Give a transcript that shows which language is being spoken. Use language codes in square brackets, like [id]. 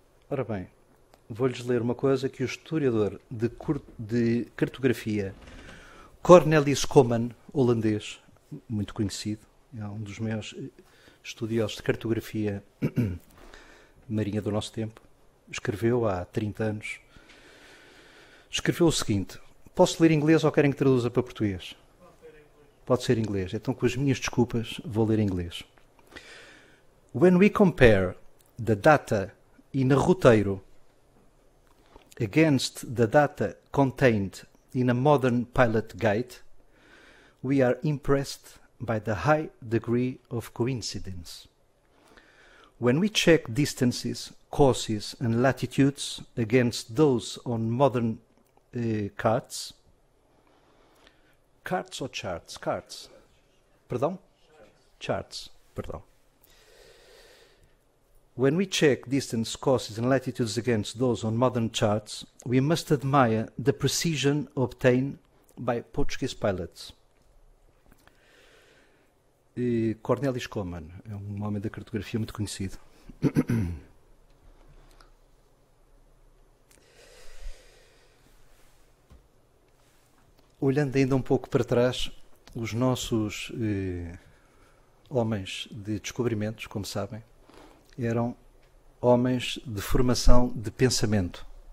[pt] Ora bem, vou-lhes ler uma coisa que o historiador de cartografia Cornelis Coman, holandês, muito conhecido, é um dos maiores estudiosos de cartografia marinha do nosso tempo. escreveu há 30 anos. Escreveu o seguinte: posso ler inglês ou querem que traduza para português? Pode ser inglês. Então, com as minhas desculpas, vou ler inglês. [en] When we compare the data in a roteiro against the data contained in a modern pilot guide, we are impressed by the high degree of coincidence. When we check distances, courses, and latitudes against those on modern carts, carts ou charts? [pt] Carts. Perdão? Charts. Perdão. [en] When we check distance, courses, and latitudes against those on modern charts, we must admire the precision obtained by Portuguese pilots. [pt] Cornelis Coman é um homem da cartografia muito conhecido. Olhando ainda um pouco para trás, os nossos homens de descobrimentos, como sabem, eram homens de formação de pensamento